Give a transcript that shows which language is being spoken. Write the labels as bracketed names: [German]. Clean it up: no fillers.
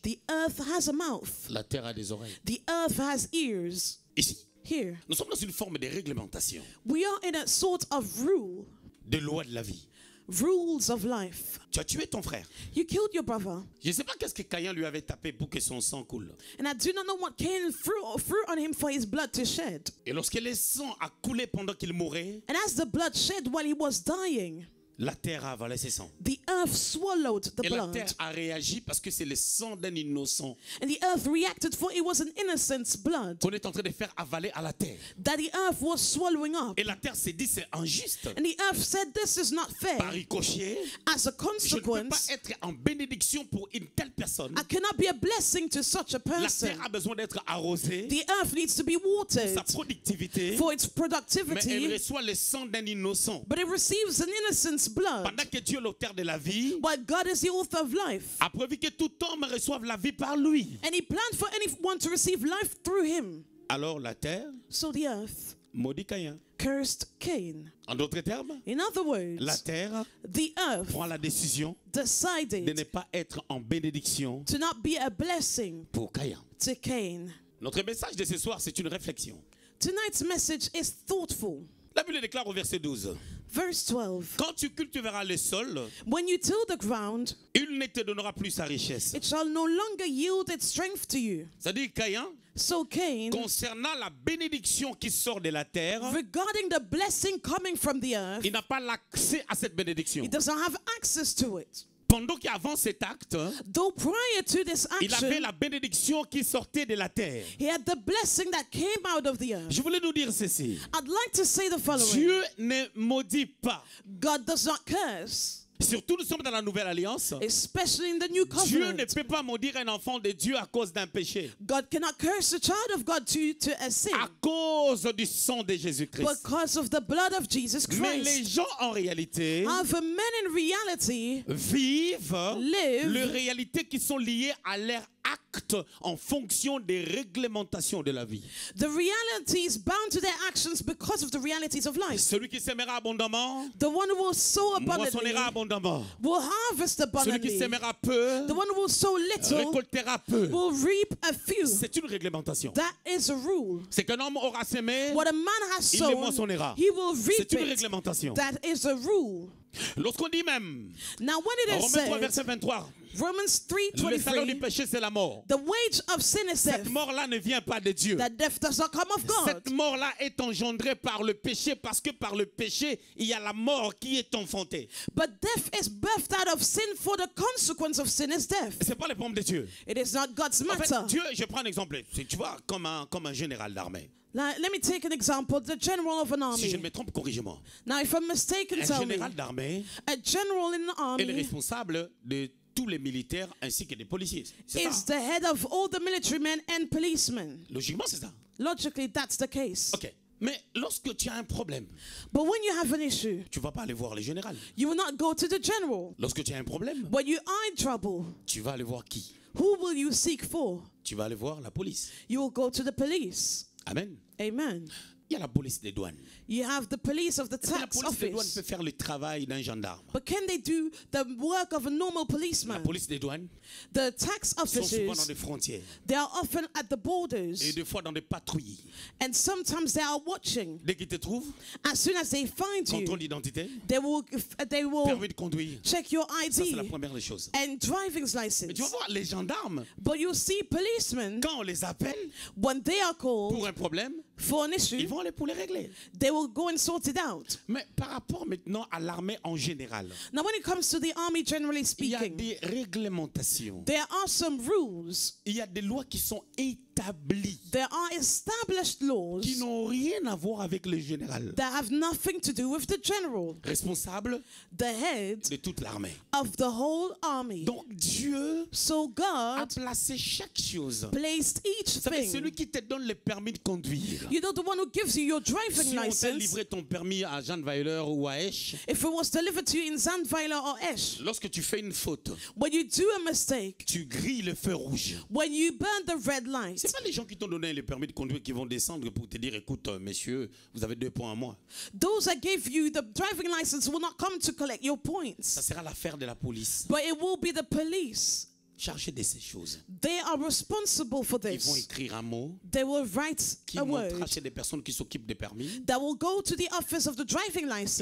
[English] The earth has a mouth. [French] La terre a des oreilles. [English] The earth has ears. [French] Ici, [English] here, [French] nous sommes dans une forme de réglementation. [English] We are in a sort of rule. [French] Des lois de la vie. [English] Rules of life. [French] Tu as tué ton frère. [English] You killed your brother. [French] Je ne sais pas qu'est-ce que Caïn lui avait tapé pour que son sang coule. [English] And I do not know what Cain threw on him for his blood to shed. [French] Et lorsque le sang a coulé pendant qu'il mourait. [English] And as the blood shed while he was dying. [French] La terre a avalé ses sangs. [English] The earth swallowed the [French] et [English] blood. [French] Et la terre a réagi parce que c'est le sang d'un innocent. [English] And the earth reacted for it was an innocent's blood. [French] On est en train de faire avaler à la terre. [English] That the earth was swallowing up. [French] Et la terre s'est dit c'est injuste. [English] And the earth said this is not fair. [French] Par ricochet. [English] As a consequence. [French] Je ne peux pas être en bénédiction pour une telle personne. [English] I cannot be a blessing to such a person. [French] La terre a besoin d'être arrosée. [English] The earth needs to be watered. [French] Pour sa productivité. [English] For its productivity. [French] Mais elle reçoit le sang d'un innocent. [English] But it receives an innocent's blood. [French] Pendant que Dieu est l'auteur de la vie, [English] but God is the author of life. [French] A prévu que tout homme reçoive la vie par lui. [English] And he planned for anyone to receive life through him. [French] Alors la terre, [English] so the earth, [French] maudit Caïn, [English] cursed Cain. [French] En d'autres termes, [English] in other words, [French] la terre, [English] the earth, [French] prend la décision, [English] decided, [French] de ne pas être en bénédiction, [English] to not be a blessing, [French] pour Caïn, [English] to Cain. [French] Notre message de ce soir, c'est une réflexion. [English] Tonight's message is thoughtful. [French] La Bible déclare au verset 12. [English] Verse 12. [French] Quand tu cultiveras le sol, [English] when you till the ground, [French] il ne te donnera plus sa richesse. [English] It shall no longer yield its strength to you. [French] C'est-à-dire Caïn, [English] so Cain, [French] concernant la bénédiction qui sort de la terre, [English] regarding the blessing coming from the earth, [French] il n'a pas l'accès à cette bénédiction. [English] He doesn't have access to it. [French] Pendant qu'avant cet acte, [English] though prior to this action, [French] il avait la bénédiction qui sortait de la terre. [English] He had the blessing that came out of the earth. [French] Je voulais nous dire ceci. [English] I'd like to say the following. [French] Dieu ne maudit pas. [English] God does not curse. [French] Surtout nous sommes dans la nouvelle alliance. [English] Especially in the new covenant. [French] Dieu ne peut pas maudire un enfant de Dieu à cause d'un péché. [English] God cannot curse a child of God to a sin. [French] À cause du sang de Jésus-Christ. [English] Because of the blood of Jesus Christ. [French] Mais les gens en réalité, [English] however, men in reality, [French] vivent [English] live [French] les réalités qui sont liées à leur acte en fonction des réglementations de la vie. [English] The reality is bound to their actions because of the realities of life. [French] Celui qui sèmera abondamment, [English] the one who will sow abundantly, [French] moissonnera abondamment, [English] will harvest abundantly. [French] Celui qui sèmera peu, [English] the one who will sow little, [French] récoltera peu, [English] will reap a few. [French] C'est une réglementation. [English] That is a rule. [French] C'est qu'un homme aura sémé, [English] what a man has sown, [French] il moissonnera. [English] He will reap. [French] C'est une réglementation. [English] It. That is a rule. [French] Lorsqu'on dit même, [English] now when it is [French] Romains 3, [English] said, [French] verset 23, [English] Romans 3, 23, [French] le salaire du péché c'est la mort. [English] The wage of sin is [French] cette mort-là ne vient pas de Dieu. [English] That death does not come of God. [French] Cette mort-là est engendrée par le péché parce que par le péché il y a la mort qui est enfantée. [English] But death is birthed out of sin for the consequence of sin is death. [French] C'est pas le problème de Dieu. [English] It is not God's matter. [French] En fait, Dieu, je prends un exemple. Tu vois, comme un général d'armée. [English] Let me take an example, the general of an army. [French] Si je ne me trompe, corrigez-moi. [English] Now, if I'm mistaken, tell me. [French] Un général d'armée. [English] A general in an army. [French] Est le responsable de tous les militaires ainsi que des policiers. C'est [English] is the head of all the military men and policemen. [French] Logiquement, c'est ça. [English] Logically, that's the case. [French] Okay. Mais lorsque tu as un problème, [English] but when you have an issue, [French] tu vas pas aller voir le général. [English] You will not go to the general. [French] Lorsque tu as un problème, [English] when you are in trouble, [French] tu vas aller voir qui? [English] Who will you seek for? [French] Tu vas aller voir la police. [English] You will go to the police. [French] Amen. [English] Amen. [French] Il y a la police des douanes. [English] You have the police of the tax office. [French] La police des douanes peut faire le travail d'un gendarme. [English] But can they do the work of a normal policeman? [French] La police des douanes. [English] The tax officers. [French] Sont souvent dans les frontières. [English] They are often at the borders. [French] Et des fois dans des patrouilles. [English] And sometimes they are watching. [French] Dès qu'ils te trouvent. [English] As soon as they find you. [French] Contrôle d'identité. [English] They will. [French] Permis de conduire. [English] Check your ID. [French] Ça, c'est la première des choses. [English] And driving's license. [French] Mais tu vas voir les gendarmes. [English] But you see policemen. [French] Quand on les appelle. [English] When they are called. [French] Pour un problème. [English] For an issue. [French] Ils vont aller pour les régler. [English] They will go and sort it out. [French] Mais par rapport maintenant à l'armée en général. [English] Now when it comes to the army generally speaking. [French] Il y a des réglementations. [English] There are some rules. [French] Il y a des lois qui sont établies. [English] There are established laws. [French] Qui n'ont rien à voir avec le général. [English] That have nothing to do with the general. [French] Responsable. [English] The head. [French] De toute l'armée. [English] Of the whole army. [French] Donc Dieu. [English] So God. [French] A placé chaque chose. [English] Placed each thing. [French] C'est celui qui te donne le permis de conduire. [English] You know, the one who gives you your driving [French] si [English] license. [French] Si on t'a livré ton permis à Zandweiler ou à Esch. [English] If it was delivered to you in Zandweiler or Esch. [French] Lorsque tu fais une faute. [English] When you do a mistake. [French] Tu grilles le feu rouge. [English] When you burn the red light. [French] C'est pas les gens qui t'ont donné le permis de conduire qui vont descendre pour te dire, écoute, monsieur, vous avez 2 points à moi. [English] Those that gave you the driving license will not come to collect your points. [French] Ça sera l'affaire de la police. [English] But it will be the police. [French] Chargé de ces choses. [English] They are responsible for this. [French] Ils vont écrire un mot. [English] They will write [French] qui montrera chez des personnes qui s'occupent des permis. [English] That will go to the office of the driving license.